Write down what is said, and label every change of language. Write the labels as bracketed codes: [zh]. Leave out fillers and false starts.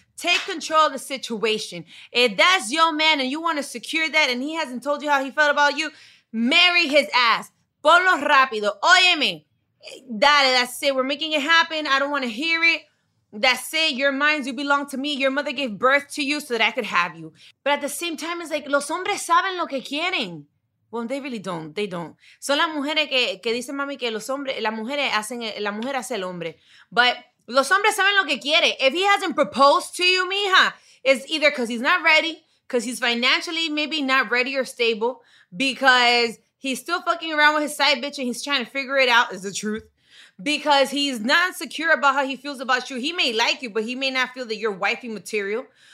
[en] Take control of the situation. If that's your man and you want to secure that and he hasn't told you how he felt about you, marry his ass. [es] Ponlo rápido. Óyeme. Dale, [en] that's it. We're making it happen. I don't want to hear it. That's it. Your minds, you belong to me. Your mother gave birth to you so that I could have you. But at the same time, it's like, [es] los hombres saben lo que quieren. [en] Well, they really don't. They don't. [es] Son las mujeres que dicen, mami, que los hombres, las mujeres hacen, la mujer hace el hombre. [en] But [es] los hombres saben lo que quieren. [en] If he hasn't proposed to you, mija, it's either because he's not ready, because he's financially maybe not ready or stable, because he's still fucking around with his side bitch and he's trying to figure it out, is the truth. Because he's not secure about how he feels about you. He may like you, but he may not feel that you're wifey material.